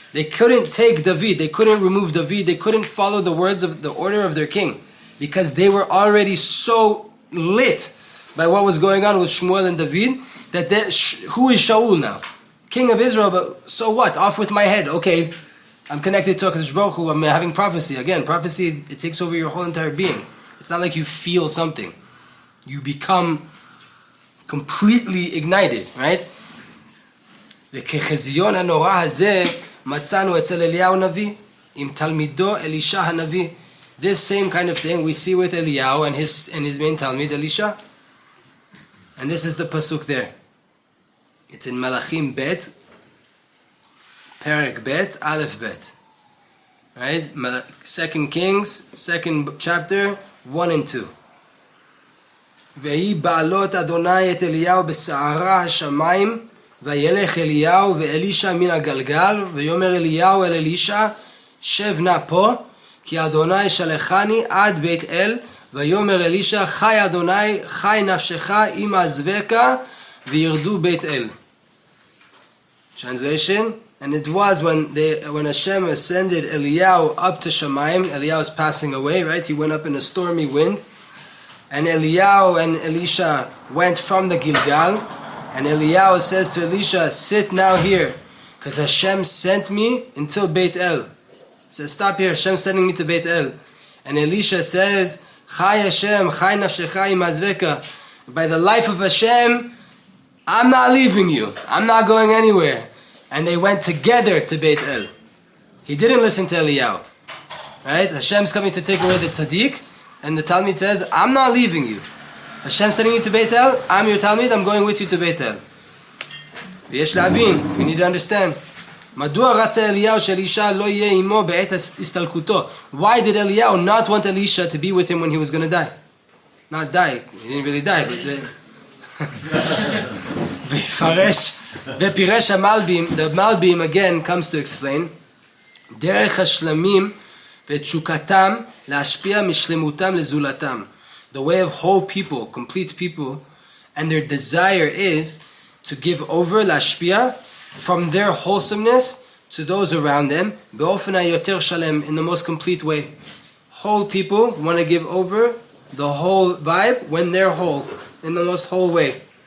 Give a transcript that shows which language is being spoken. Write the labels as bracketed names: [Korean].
[English] They couldn't take David, they couldn't remove David, they couldn't follow the words of the order of their king, because they were already so lit by what was going on with Shmuel and David, that who is Shaul now? King of Israel, but so what? Off with my head. Okay, I'm connected to HaKadosh Baruch Hu, I'm having prophecy. Again, prophecy, it takes over your whole entire being. It's not like you feel something. You become completely ignited, right? [Hebrew] וכחזיון הנורא הזה מצאנו אצל אליהו נביא עם תלמידו אלישע הנביא. [English] This same kind of thing we see with Eliyahu and his main talmid Elisha. And this is the pasuk there. It's in Malachim Bet, Perek Bet, Aleph Bet. Right? Second Kings, second chapter, 1 and 2. [Hebrew] והיא בעלות אדוני את אליהו בסערה השמיים וילך אליהו ואלישע מן הגלגל ויאמר אליהו אל אלישע שב נא פה כי אדוני שלחני עד בית אל ויאמר אלישע חי אדוני חי נפשך עם הזבקה וירדו בית אל. [English] Translation: and it was when Hashem ascended Eliyahu up to Shamayim. Eliyahu is passing away, right? He went up in a stormy wind, and Eliyahu and Elisha went from the Gilgal. And Eliyahu says to Elisha, sit now here, because Hashem sent me until Beit El. He says, stop here, Hashem sending me to Beit El. And Elisha says, [Hebrew] Chai Hashem, Chai Nafshecha Imazveka. [English] By the life of Hashem, I'm not leaving you. I'm not going anywhere. And they went together to Beit El. He didn't listen to Eliyahu. Right? Hashem's coming to take away the tzaddik. And the Talmid says, I'm not leaving you. Hashem sending you to Beit El, I'm your Talmid, I'm going with you to Beit El. [Hebrew] ויש להבין, [English] we need to understand. [Hebrew] מדוע רצה אליהו שאלישע לא יהיה עמו בעת הסתלקותו? [English] Why did Eliyahu not want Elisha to be with him when he was going to die? Not die, he didn't really die, but... [Hebrew] ויפרש, ופירש המלבים, [English] the מלבים again comes to explain, [Hebrew] דרך השלמים ותשוקתם להשפיע משלמותם לזולתם. [English] The way of whole people, complete people, and their desire is to give over lashpia from their wholesomeness to those around them [Hebrew] beofen hayoter shalem, [English] in the most complete way. Whole people want to give over the whole vibe when they're whole, in the most whole way.